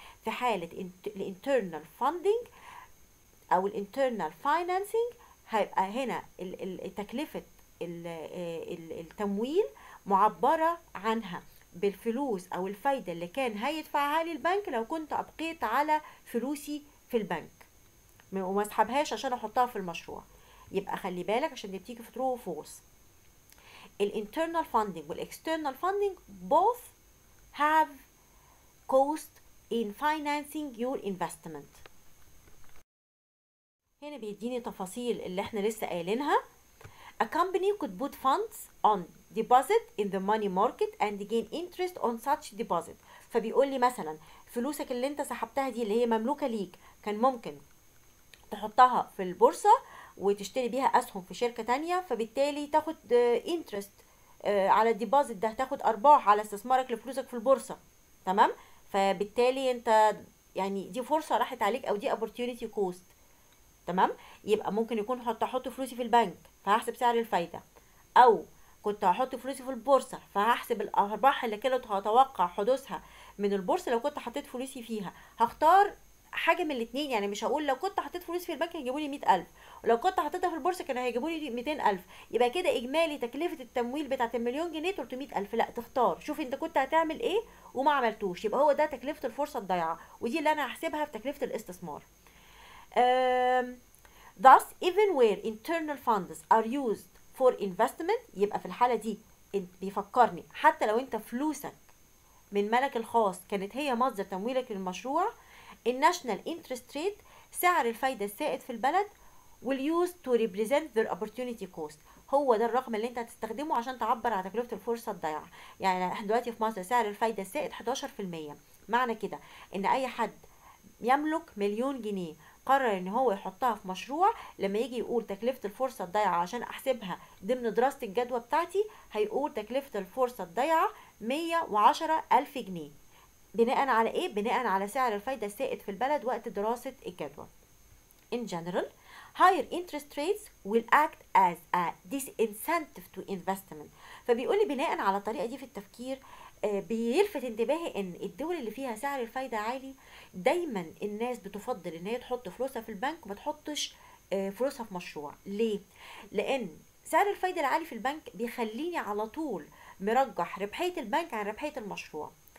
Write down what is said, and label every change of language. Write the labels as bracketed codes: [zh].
[ar] في حالة الـ internal funding أو الـ internal financing، هيبقى هنا تكلفة التمويل معبرة عنها بالفلوس أو الفايدة اللي كان هيدفعها لي البنك لو كنت أبقيت على فلوسي في البنك وما اسحبهاش عشان أحطها في المشروع. يبقى خلي بالك عشان دي بتيجي في [en] true or false. الـ internal funding والـ external funding both have cost in financing your investment. [ar] هنا بيديني تفاصيل اللي احنا لسه قايلينها. [en] A company could put funds on deposit in the money market and gain interest on such deposit. [ar] فبيقول لي مثلا فلوسك اللي انت سحبتها دي اللي هي مملوكة ليك، كان ممكن تحطها في البورصة وتشتري بيها اسهم في شركة تانية، فبالتالي تاخد interest على الديبوزيت ده، تاخد ارباح على استثمارك لفلوسك في البورصة، تمام؟ فبالتالي انت يعني دي فرصة راحت عليك او دي opportunity cost، تمام؟ يبقى ممكن يكون هحط فلوسي في البنك فهحسب سعر الفايدة، او كنت هحط فلوسي في البورصة فهحسب الارباح اللي كانت هتوقع حدوثها من البورصة لو كنت حطيت فلوسي فيها. هختار حاجة من الاتنين، يعني مش هقول لو كنت حطيت فلوسي في البنك هيجيبولي 100,000 ولو كنت حطيتها في البورصة كان هيجيبولي 200,000. يبقى كده اجمالي تكلفة التمويل بتاعت المليون جنيه 300,000. لا، تختار، شوف انت كنت هتعمل ايه وما عملتوش. يبقى هو ده تكلفة الفرصة الضايعة، ودي اللي انا هحسبها في تكلفة الاستثمار. [en] Thus even where internal funds are used for investment. [ar] يبقى في الحالة دي بيفكرني حتى لو انت فلوسك من مالك الخاص كانت هي مصدر تمويلك للمشروع، الناشنال انترست ريت سعر الفايدة السائد في البلد [en] will use to represent their opportunity cost. [ar] هو ده الرقم اللي انت هتستخدمه عشان تعبر عن تكلفة الفرصة الضايعة. يعني احنا دلوقتي في مصر سعر الفايدة السائد 11%، معنى كده ان اي حد يملك مليون جنيه قرر ان هو يحطها في مشروع، لما يجي يقول تكلفة الفرصة الضايعة عشان احسبها ضمن دراسة الجدوى بتاعتي، هيقول تكلفة الفرصة الضايعة 110,000 جنيه. بناء على ايه؟ بناء على سعر الفايدة السائد في البلد وقت دراسة الجدوى. [en] In general, higher interest rates will act as a disincentive to investment. [ar] فبيقول لي بناء على الطريقة دي في التفكير، بيلفت انتباهي ان الدول اللي فيها سعر الفايدة عالي دايما الناس بتفضل ان هي تحط فلوسها في البنك وما تحطش فلوسها في مشروع. ليه؟ لان سعر الفايدة العالي في البنك بيخليني على طول مرجح ربحية البنك عن ربحية المشروع.